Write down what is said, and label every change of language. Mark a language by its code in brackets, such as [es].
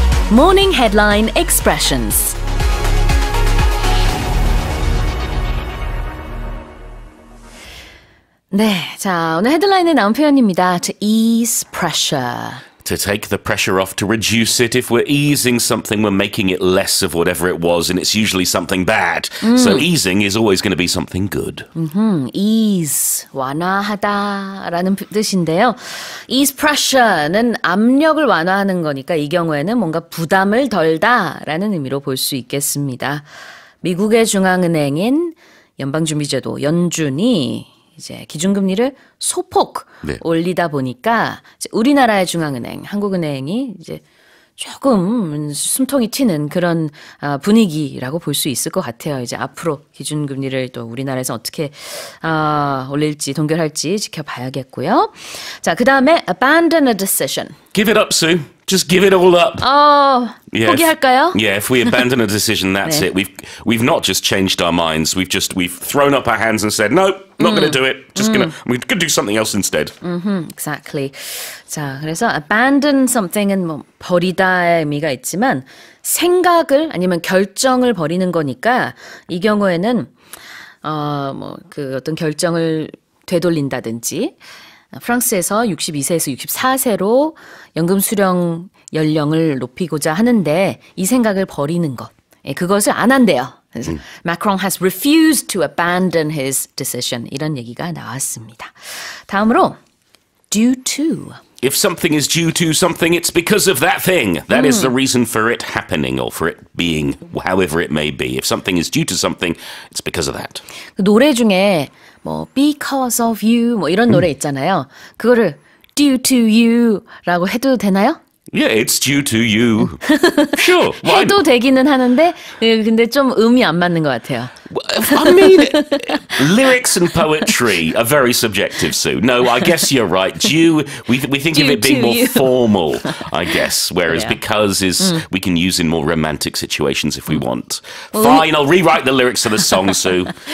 [en] 모닝 헤드라인 익스프레션스. [ko] 네, 자, 오늘 헤드라인에 나온 표현입니다. [en] To ease pressure. To take the pressure off, to reduce it. If we're easing something, we're making it less of whatever it was, and it's usually something bad. So easing is always going to be something good. [ko] Mm-hmm. Ease, 완화하다라는 뜻인데요. Ease pressure는 압력을 완화하는 거니까 이 경우에는 뭔가 부담을 덜다라는 의미로 볼 수 있겠습니다. 미국의 중앙은행인 연방준비제도, 연준이 이제 기준금리를 소폭 네. 올리다 보니까 우리나라의 중앙은행, 한국은행이 이제 조금 숨통이 튀는 그런 분위기라고 볼 수 있을 것 같아요. 이제 앞으로 기준금리를 또 우리나라에서 어떻게 올릴지 동결할지 지켜봐야겠고요. 자, 그 다음에 [en] abandon a decision. Give it up, Sue. Just give it all up. [ko] 포기할까요? [en] Yeah, if we abandon a decision, that's 네. it. We've not just changed our minds. We've thrown up our hands and said, nope, Not going to do it. Just going to do something else instead. Mm-hmm. Exactly. [ko] 자, 그래서 [en] abandon something [ko] 은 뭐 버리다의 의미가 있지만 생각을 아니면 결정을 버리는 거니까 이 경우에는 뭐 그 어떤 결정을 되돌린다든지 프랑스에서 62세에서 64세로 연금 수령 연령을 높이고자 하는데 이 생각을 버리는 것. 예, 그것을 안 한대요. [en] 마크롱 has refused to abandon his decision. [ko] 이런 얘기가 나왔습니다. 다음으로 due to. [en] If something is due to something, it's because of that thing. That is the reason for it happening or for it being however it may be. If something is due to something, it's because of that. [ko] 그 노래 중에 뭐 [en] because of you [ko] 뭐 이런 노래 있잖아요. 그거를 [en] due to you [ko] 라고 해도 되나요? [en] Yeah, it's due to you. Sure. [ko] 해도 되기는 하는데 근데 좀 음이 안 맞는 것 같아요. [en] I mean, lyrics and poetry are very subjective, Sue. No, I guess you're right. Due, we think due of it being more you. Formal, I guess. Whereas yeah. because is we can use in more romantic situations if we want. Fine, I'll rewrite the lyrics of the song, Sue.